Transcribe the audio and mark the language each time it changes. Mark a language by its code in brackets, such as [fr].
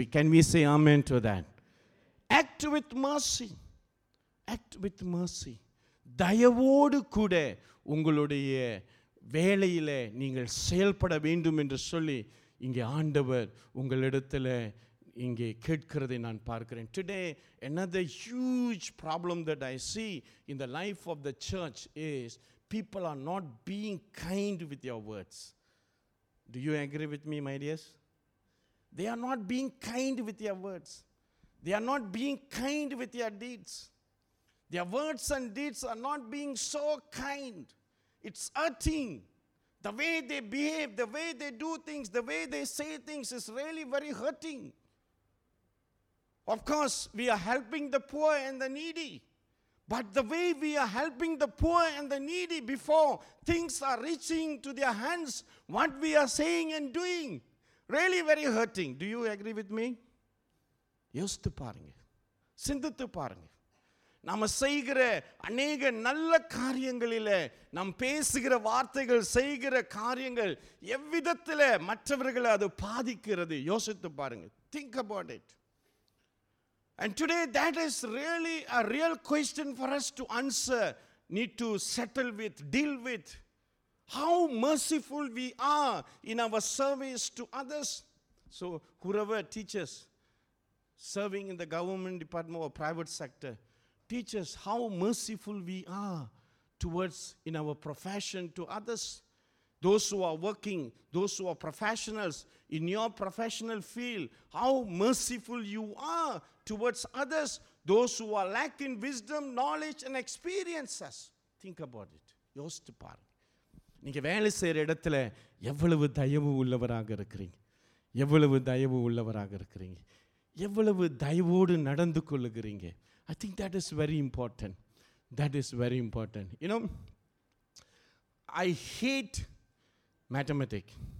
[en] Can we say amen to that? Act with mercy. [ta] தயவோடு கூட உங்களுடைய வேலையில் நீங்கள் செயல்பட வேண்டும் என்று சொல்லி இங்கே ஆண்டவர் உங்களிடத்தில் இங்கே கேட்கிறதை நான் பார்க்கிறேன். [en] Today, another huge problem that I see in the life of the church is people are not being kind with your words. Do you agree with me, my dears? They are not being kind with their words. They are not being kind with their deeds. Their words and deeds are not being so kind. It's hurting. The way they behave, the way they do things, the way they say things is really very hurting. Of course, we are helping the poor and the needy. But the way we are helping the poor and the needy before things are reaching to their hands, what we are saying and doing, really very hurting. Do you agree with me? [ta] யோசித்து பாருங்க, சிந்தித்து பாருங்க. நம்ம செய்கிற அநேக நல்ல காரியங்களில் நம் பேசுகிற வார்த்தைகள், செய்கிற காரியங்கள் எவ்விதத்தில் மற்றவர்களை அது பாதிக்கிறது, யோசித்து பாருங்க. [en] Think about it. And today, that is really a real question for us to answer, need to settle with, deal with. How merciful we are in our service to others. So whoever teaches, serving in the government department or private sector, teaches how merciful we are towards in our profession to others. Those who are working, those who are professionals in your professional field, how merciful you are towards others, those who are lacking wisdom, knowledge, and experiences. Think about it. [ta] யோசித்து பாருங்க. நீங்கள் வேலை செய்கிற இடத்துல எவ்வளவு தயவு உள்ளவராக இருக்கிறீங்க, எவ்வளவு தயவு உள்ளவராக இருக்கிறீங்க, எவ்வளவு தயவோடு நடந்து கொள்ளுகிறீங்க. [en] I think that is very important. You know, I hate mathematic.